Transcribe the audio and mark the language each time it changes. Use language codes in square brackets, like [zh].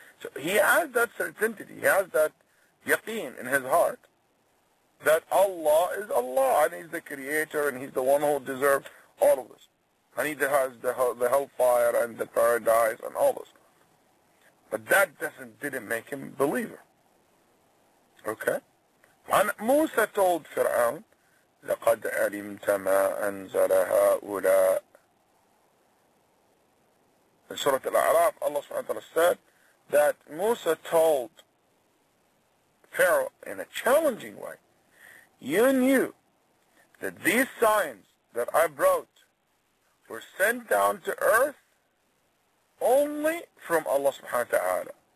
[en] So he has that certainty, he has that yaqeen in his heart, that Allah is Allah, and he's the Creator, and he's the one who deserves all of this. And he has the hellfire and the paradise and all this. But that didn't make him a believer. Okay? And Musa told Fir'aun, [ar] لَقَدْ عَلِمْتَ مَا أَنْزَلَ هَؤُلَىٰ. [en] In Surah Al-A'raf, Allah subhanahu wa ta'ala said that Musa told Pharaoh in a challenging way, you knew that these signs that I brought were sent down to earth only from Allah subhanahu wa ta'ala.